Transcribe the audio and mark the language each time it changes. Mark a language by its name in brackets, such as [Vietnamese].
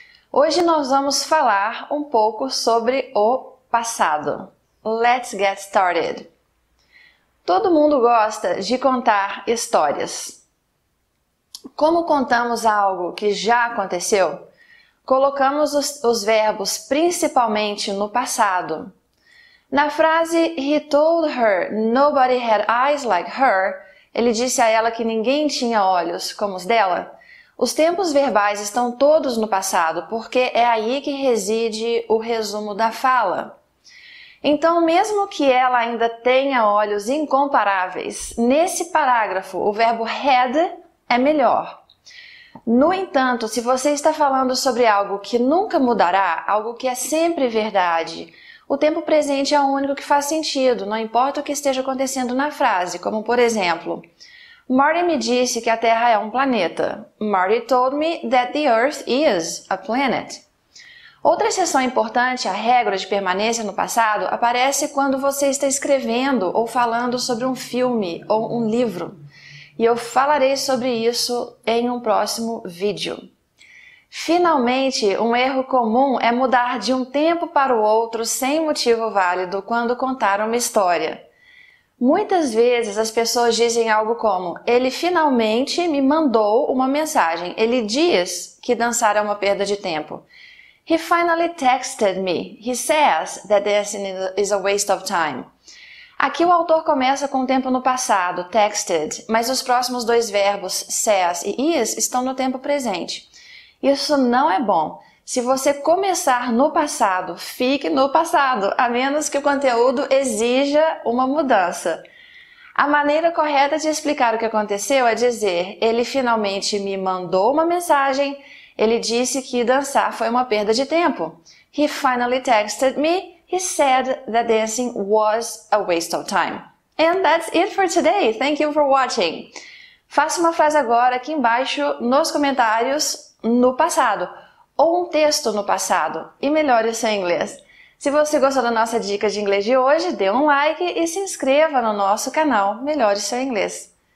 [Portuguese] Hoje nós vamos falar um pouco sobre o passado. [English] Let's get started! [Portuguese] Todo mundo gosta de contar histórias. Como contamos algo que já aconteceu, colocamos os verbos principalmente no passado. Na frase [English] He told her nobody had eyes like her. [Portuguese] Ele disse a ela que ninguém tinha olhos como os dela. Os tempos verbais estão todos no passado, porque é aí que reside o resumo da fala. Então, mesmo que ela ainda tenha olhos incomparáveis, nesse parágrafo o verbo had é melhor. No entanto, se você está falando sobre algo que nunca mudará, algo que é sempre verdade, o tempo presente é o único que faz sentido, não importa o que esteja acontecendo na frase, como por exemplo, Marty me disse que a Terra é um planeta. [English] Marty told me that the Earth is a planet. [Portuguese] Outra exceção importante à regra de permanência no passado aparece quando você está escrevendo ou falando sobre um filme ou um livro. E eu falarei sobre isso em um próximo vídeo. Finalmente, um erro comum é mudar de um tempo para o outro sem motivo válido quando contar uma história. Muitas vezes as pessoas dizem algo como: Ele finalmente me mandou uma mensagem. Ele diz que dançar é uma perda de tempo. [English] He finally texted me. He says that dancing is a waste of time. [Portuguese] Aqui o autor começa com o tempo no passado, texted, mas os próximos dois verbos, says e is, estão no tempo presente. Isso não é bom. Se você começar no passado, fique no passado, a menos que o conteúdo exija uma mudança. A maneira correta de explicar o que aconteceu é dizer: ele finalmente me mandou uma mensagem, ele disse que dançar foi uma perda de tempo. [English] He finally texted me, he said that dancing was a waste of time. And that's it for today. Thank you for watching. [Portuguese] Faça uma frase agora aqui embaixo nos comentários. No passado, ou um texto no passado, e melhore seu inglês. Se você gostou da nossa dica de inglês de hoje, dê um like e se inscreva no nosso canal Melhore Seu Inglês.